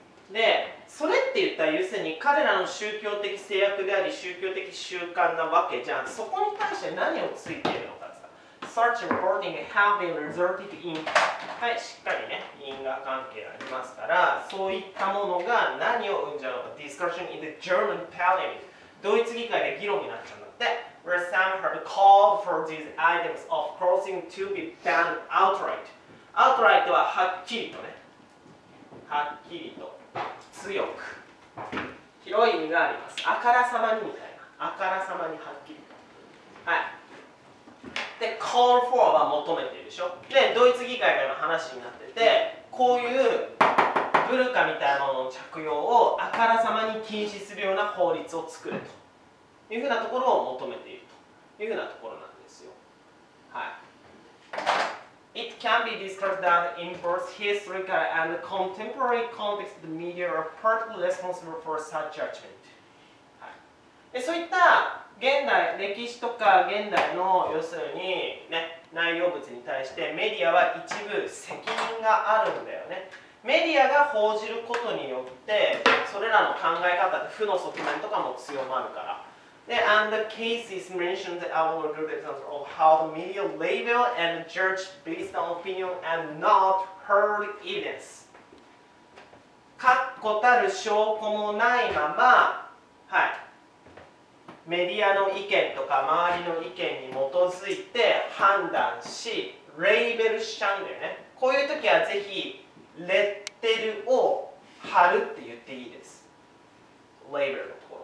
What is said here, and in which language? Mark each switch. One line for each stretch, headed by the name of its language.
Japanese: うん。で、それって言ったら、要するに彼らの宗教的制約であり、宗教的習慣なわけじゃん。そこに対して何をついているのかさ。
English: Search and reporting have been resulted in.
Japanese: はい、しっかりね、因果関係がありますから、そういったものが何を生んじゃうのか。
English: Discussion in the German Parliament。
Japanese: ドイツ議会で議論になっちゃうんだって。
English: Where some have called for these items of clothing to be banned outright.
Japanese: Outright ははっきりとね。はっきりと。強く。広い意味があります。あからさまにみたいな。あからさまにはっきりと。はい。で、call for は求めてるでしょ。で、ドイツ議会から話になってて、こういうブルカみたいなものの着用をあからさまに禁止するような法律を作れと。いうふうなところを求めているというふうなところなんですよ。
English: はい。It can be discussed that in both historical and contemporary context, the media are partly responsible for such judgment.、
Japanese: はい、でそういった現代、歴史とか現代の要するにね、内容物に対してメディアは一部責任があるんだよね。メディアが報じることによって、それらの考え方って負の側面とかも強まるから。
English: で、and the cases mentioned are good examples of how the media label and judge based on opinion and not hard evidence.
Japanese: 確固たる証拠もないまま、はい、メディアの意見とか周りの意見に基づいて判断し、レーベルしちゃうんだよね。こういう時はぜひ、レッテルを貼るって言っていいです。レーベル。